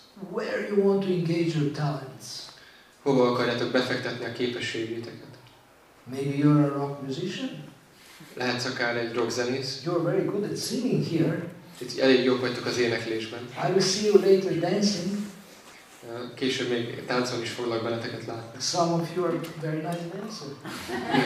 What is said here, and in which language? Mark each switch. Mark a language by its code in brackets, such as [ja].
[en] Where you want to engage your talents? [hu] Hova akarjátok befektetni a képességeiteket? [en] Maybe you're a rock musician? [hu] Lehetsz akár egy rock zenész? [en] You're very good at singing here. [hu] Itt elég jók vagytok az éneklésben. [en] I will see you later dancing. [hu] Később még táncolni is foglak benneteket látni. [en] Some of you are very nice dancers.